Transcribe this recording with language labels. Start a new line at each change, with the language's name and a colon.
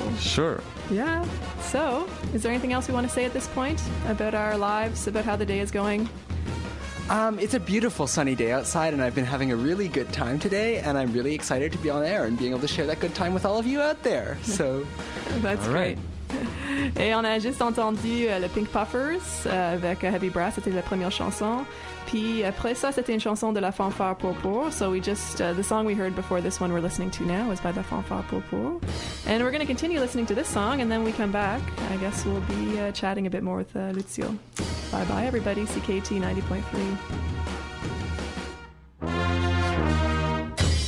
English: Sure. Yeah. So, is there anything else we want to say at this point about our lives, about how the day is going? It's a beautiful sunny day outside, and I've been having a really good time today, and I'm really excited to be on air and being able to share that good time with all of you out there. So, that's all right. Great.
French: Et on a juste entendu le Pink Puffers avec Heavy Brass, c'était la première chanson. Puis après ça, c'était une chanson de la Fanfare Popol.
English: So we just, the song we heard before this one we're listening to now is by the Fanfare Popol. And we're going to continue listening to this song, and then we come back. I guess we'll be chatting a bit more with Lucio. Bye-bye, everybody. CKT 90.3.